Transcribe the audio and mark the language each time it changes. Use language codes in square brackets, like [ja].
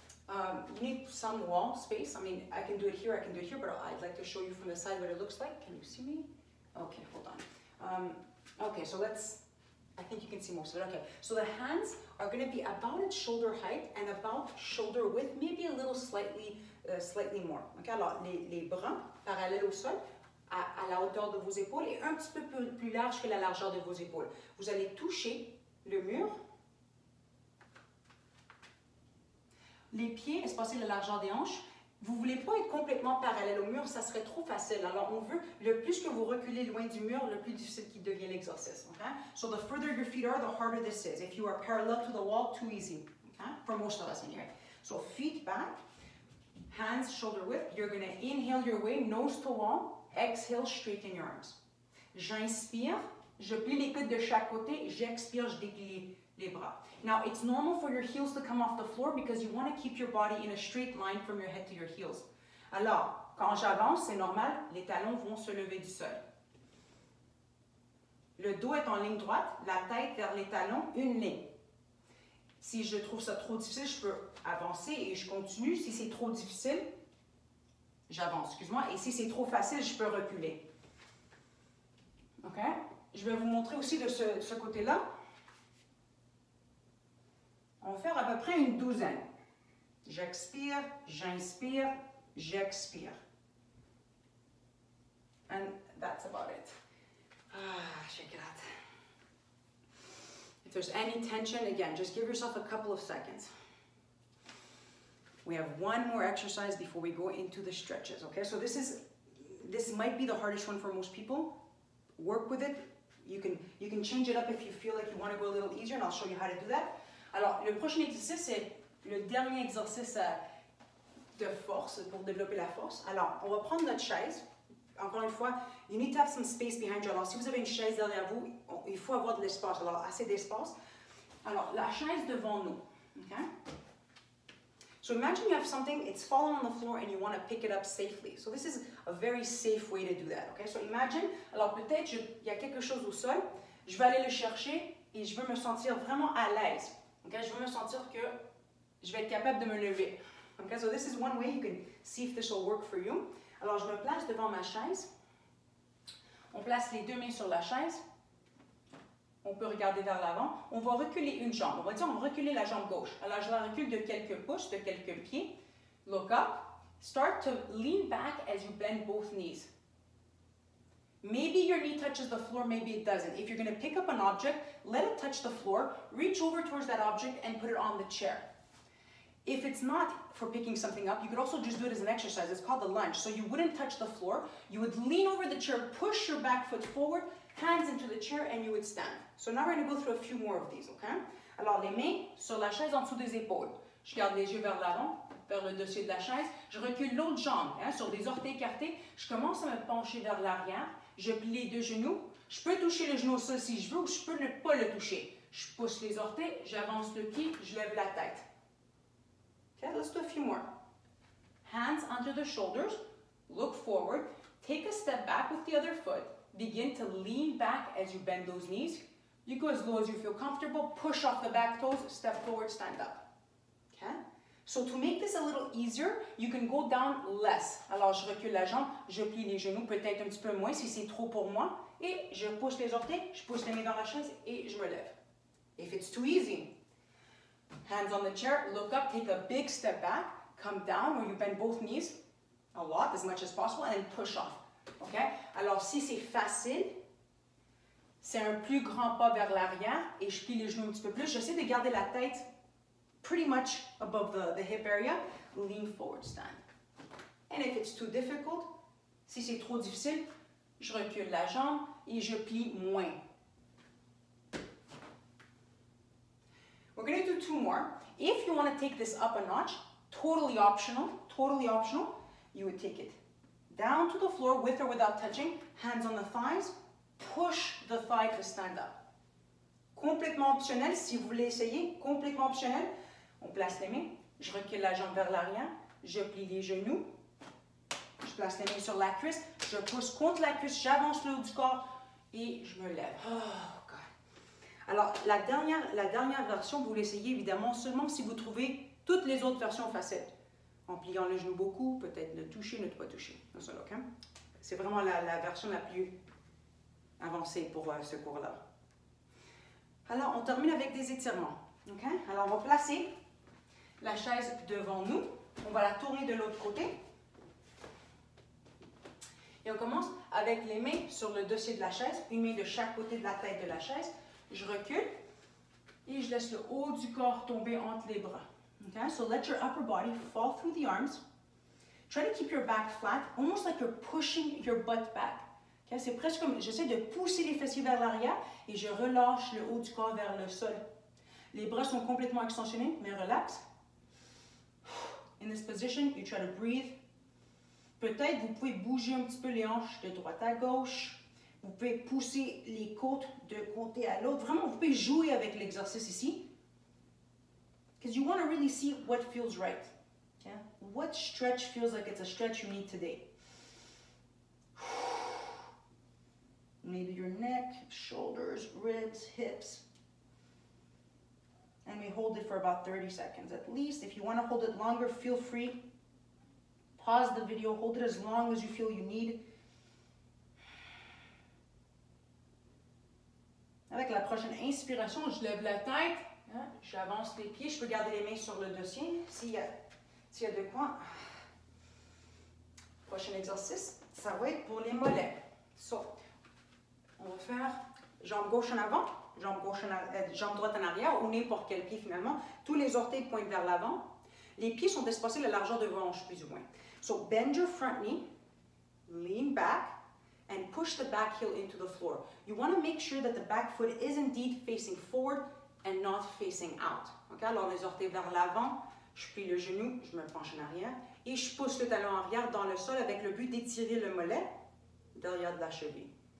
[en] you need some wall space. I mean, I can do it here, I can do it here, but I'd like to show you from the side what it looks like. Can you see me? Okay, hold on. Okay, so let's, I think you can see most of it. Okay, so the hands are going to be about at shoulder height and about shoulder width, maybe a little slightly more. [fr] Okay, alors les bras parallèles au sol, à la hauteur de vos épaules et un petit peu plus large que la largeur de vos épaules. Vous allez toucher le mur. Les pieds, espacés de la largeur des hanches, vous ne voulez pas être complètement parallèle au mur, ça serait trop facile. Alors, on veut, le plus que vous reculez loin du mur, le plus difficile qu'il devient l'exercice. [en] Okay? So, the further your feet are, the harder this is. If you are parallel to the wall, too easy. Okay? For most of us, anyway. So, feet back, hands shoulder width. You're going to inhale your way, nose to wall. Exhale, straighten your arms. [fr] J'inspire, je plie les coudes de chaque côté, j'expire, je déplie. [en] Now, it's normal for your heels to come off the floor because you want to keep your body in a straight line from your head to your heels. [fr] Alors, quand j'avance, c'est normal, les talons vont se lever du sol. Le dos est en ligne droite, la tête vers les talons, une ligne. Si je trouve ça trop difficile, je peux avancer et je continue. Si c'est trop difficile, j'avance, excuse-moi. Et si c'est trop facile, je peux reculer. OK? Je vais vous montrer aussi de ce côté-là. On va faire à peu près une douzaine. J'expire, j'inspire, j'expire. [en] And that's about it. Shake it out. If there's any tension, again, just give yourself a couple of seconds. We have one more exercise before we go into the stretches, okay? So this might be the hardest one for most people. Work with it. You can change it up if you feel like you want to go a little easier, and I'll show you how to do that. [fr] Alors, le prochain exercice, c'est le dernier exercice de force, pour développer la force. Alors, on va prendre notre chaise. Encore une fois, [en] you need to have some space behind you. [fr] Alors, si vous avez une chaise derrière vous, il faut avoir de l'espace. Alors, assez d'espace. Alors, la chaise devant nous. Okay? [en] So, imagine you have something, it's fallen on the floor and you want to pick it up safely. So, this is a very safe way to do that. Okay? So, imagine, [fr] alors peut-être il y a quelque chose au sol, je vais aller le chercher et je veux me sentir vraiment à l'aise. Okay, je veux me sentir que je vais être capable de me lever. [en] Okay, so this is one way you can see if this will work for you. [fr] Alors, je me place devant ma chaise. On place les deux mains sur la chaise. On peut regarder vers l'avant. On va reculer une jambe. On va dire on va reculer la jambe gauche. Alors, je la recule de quelques pouces, de quelques pieds. [en] Look up. Start to lean back as you bend both knees. Maybe your knee touches the floor, maybe it doesn't. If you're going to pick up an object, let it touch the floor. Reach over towards that object and put it on the chair. If it's not for picking something up, you could also just do it as an exercise. It's called a lunge. So you wouldn't touch the floor. You would lean over the chair, push your back foot forward, hands into the chair, and you would stand. So now we're going to go through a few more of these, okay? [fr] Alors, les mains sur la chaise en dessous des épaules. Je garde les yeux vers l'avant, vers le dossier de la chaise. Je recule l'autre jambe, hein, sur des orteils écartés. Je commence à me pencher vers l'arrière. Je plie les deux genoux. Je peux toucher le genou au sol si je veux ou je peux ne pas le toucher. Je pousse les orteils, j'avance le pied, je lève la tête. [en] Okay, let's do a few more. Hands under the shoulders. Look forward. Take a step back with the other foot. Begin to lean back as you bend those knees. You go as low as you feel comfortable. Push off the back toes. Step forward, stand up. Okay? So to make this a little easier, you can go down less. [fr] Alors, je recule la jambe, je plie les genoux, peut-être un petit peu moins si c'est trop pour moi. Et je pousse les orteils, je pousse les mains dans la chaise et je me lève. [en] If it's too easy, hands on the chair, look up, take a big step back, come down where you bend both knees a lot, as much as possible, and then push off. Okay? [fr] Alors, si c'est facile, c'est un plus grand pas vers l'arrière et je plie les genoux un petit peu plus. J'essaie de garder la tête [en] pretty much above the hip area, lean forward, stand. And if it's too difficult, [fr] si c'est trop difficile, je recule la jambe et je plie moins. [en] We're going to do two more. If you want to take this up a notch, totally optional, you would take it down to the floor with or without touching, hands on the thighs, push the thigh to stand up. [fr] Complètement optionnel, si vous voulez essayer, complètement optionnel. On place les mains, je recule la jambe vers l'arrière, je plie les genoux, je place les mains sur la cuisse, je pousse contre la cuisse, j'avance le haut du corps et je me lève. [en] Oh God. [fr] Alors, la dernière version, vous l'essayez évidemment seulement si vous trouvez toutes les autres versions faciles. En pliant le genou beaucoup, peut-être ne toucher, ne pas toucher. C'est vraiment la version la plus avancée pour ce cours-là. Alors, on termine avec des étirements. Okay? Alors, on va placer la chaise devant nous. On va la tourner de l'autre côté. Et on commence avec les mains sur le dossier de la chaise, une main de chaque côté de la tête de la chaise. Je recule et je laisse le haut du corps tomber entre les bras. [en] Okay? So let your upper body fall through the arms. Try to keep your back flat, almost like you're pushing your butt back. Okay? [fr] C'est presque comme, j'essaie de pousser les fessiers vers l'arrière et je relâche le haut du corps vers le sol. Les bras sont complètement extensionnés, mais relax. [en] In this position, you try to breathe. [fr] Peut-être vous pouvez bouger un petit peu les hanches de droite à gauche. Vous pouvez pousser les côtes de côté à l'autre. Vraiment, vous pouvez jouer avec l'exercice ici. [en] Because you want to really see what feels right. Okay? What stretch feels like it's a stretch you need today. Maybe your neck, shoulders, ribs, hips. And we hold it for about 30 seconds at least. If you want to hold it longer, feel free. Pause the video. Hold it as long as you feel you need. [fr] Avec la prochaine inspiration, je lève la tête. Hein? J'avance les pieds. Je peux garder les mains sur le dossier. S'il y a de quoi. Prochain exercice, ça va être pour les mollets. So, on va faire jambe gauche en avant. Jambe droite en arrière ou n'importe quel pied finalement. Tous les orteils pointent vers l'avant. Les pieds sont espacés la largeur de vos hanches plus ou moins. [en] So bend your front knee, lean back, and push the back heel into the floor. You want to make sure that the back foot is indeed facing forward and not facing out. [fr] Okay? Alors les orteils vers l'avant, je plie le genou, je me penche en arrière et je pousse le talon arrière dans le sol avec le but d'étirer le mollet derrière de la cheville.